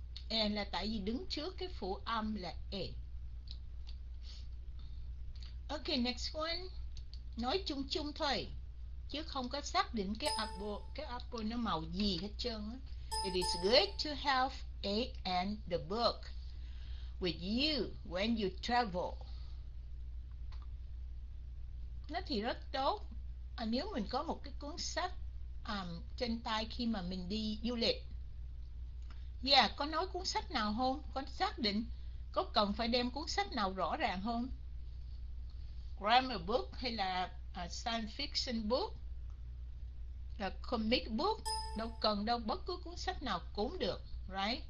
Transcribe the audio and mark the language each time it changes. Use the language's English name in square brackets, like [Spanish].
[Vietnamese] An là tại vì đứng trước cái phụ âm là a. [English] Ok, next one. [Vietnamese] Nói chung chung thôi chứ không có xác định cái apple nó màu gì hết trơn. [English] It is good to have a and the book with you when you travel. [Vietnamese] Nó thì rất tốt. Nếu mình có một cái cuốn sách trên tay khi mà mình đi du lịch. Yeah, có nói cuốn sách nào không? Có xác định có cần phải đem cuốn sách nào rõ ràng không? Grammar book hay là science fiction book, là comic book, đâu cần đâu, bất cứ cuốn sách nào cũng được, right?